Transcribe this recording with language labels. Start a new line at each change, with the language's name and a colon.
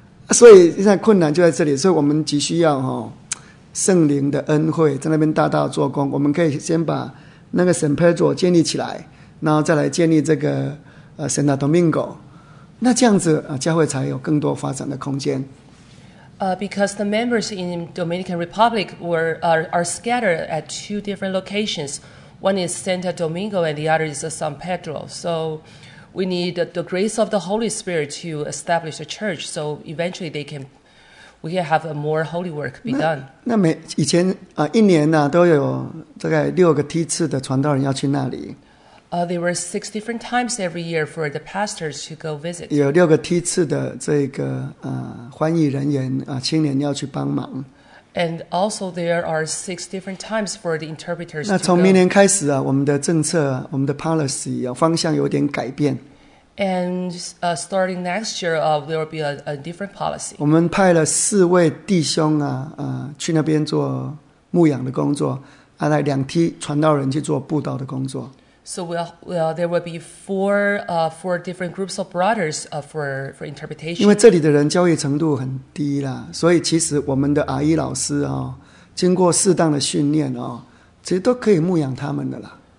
Chinese: 所以现在困难就在这里，所以我们急需要哈圣灵的恩惠在那边大大做工。我们可以先把那个圣佩佐建立起来，然后再来建立这个Santo Domingo。那这样子教会才有更多发展的空间。
English: Because the members in Dominican Republic are scattered at two different locations. One is Santo Domingo, and the other is San Pedro. So. We need the grace of the Holy Spirit to establish a church, so eventually we can have a more holy work be done.
Chinese: 那以前一年呢、都有大概六个梯次的传道人要去那里。
English: There were six different times every year for the pastors to go visit.
Chinese: 有六个梯次的这个欢迎人员青年要去帮忙。
English: And also there are six different times for the interpreters to
Chinese: go. 那从明年开始我们的政策我们的 policy 方向有点改变。
English: And starting next year there will be a different policy.
Chinese: 我们派了四位弟兄去那边做牧养的工作，来两梯传道人去做布道的工作。
English: So well, there will be four different groups of brothers for interpretation.
Chinese: 因为这里的人教育程度很低啦，所以其实我们的阿姨老师啊、经过适当的训练啊、其实都可以牧养他们的啦。